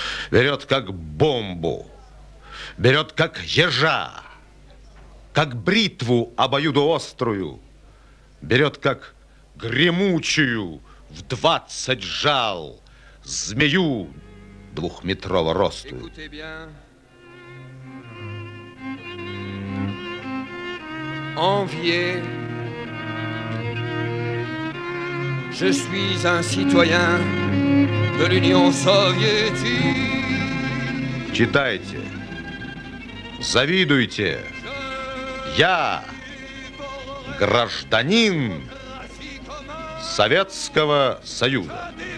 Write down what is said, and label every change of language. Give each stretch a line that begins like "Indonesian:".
Russian: Берет как бомбу, берет как ежа, как бритву обоюдоострую, берет как гремучую в 20 жал змею двухметрового росту.
French: Envier, je suis un citoyen de l'Union Soviétique.
Russian: Читайте, завидуйте. Я гражданин Советского Союза.